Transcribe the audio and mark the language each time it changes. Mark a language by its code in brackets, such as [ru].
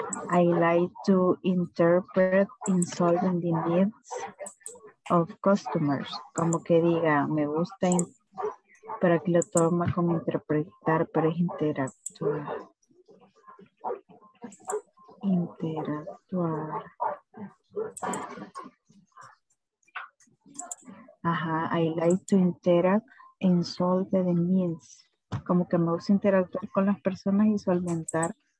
[en] I like to interpret in solving the needs of customers. [es] Como que diga, me gusta, para que lo tome como interpretar, pero es interactuar. Interactuar. [en] Ajá, I like to interact in solving the needs. [es] Como que me gusta interactuar con las personas y solventar.